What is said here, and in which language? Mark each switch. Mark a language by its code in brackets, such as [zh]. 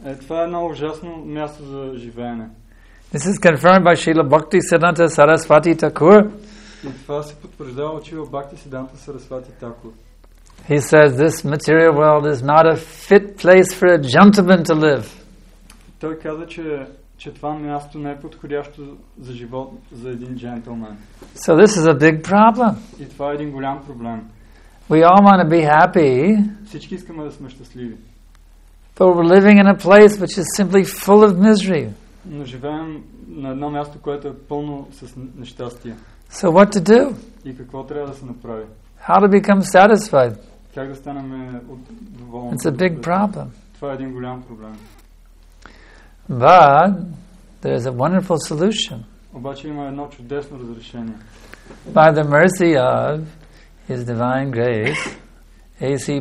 [bg] Това е едно ужасно място за живеене. [en] This is confirmed by Srila Bhakti Siddhanta Sarasvati Thakur. [bg] Това се потвърждава от Шрила Бхакти Сиддханта Сарасвати Такур. [en] He says this material world is not a fit place for a gentleman to live. [bg] Той каза, че това място не е подходящо за живот за един джентълмен. [en] So this is a big problem. [bg] И това е един голям проблем. [en] We all want to be happy. [bg] Всички искаме да сме щастливи. [en] But we're living in a place which is simply full of misery. [bg] Но живеем на едно място, което е пълно с нещастие. [en] So what to do? [bg] И какво трябва да се направи? [en] How to become satisfied? [bg] Как да станем доволни? [en] It's a big problem. [bg] Това е един голям проблем. [en] But there is a wonderful solution. [bg] Обаче има едно чудесно разрешение. [en] By the mercy of His Divine Grace, A.C.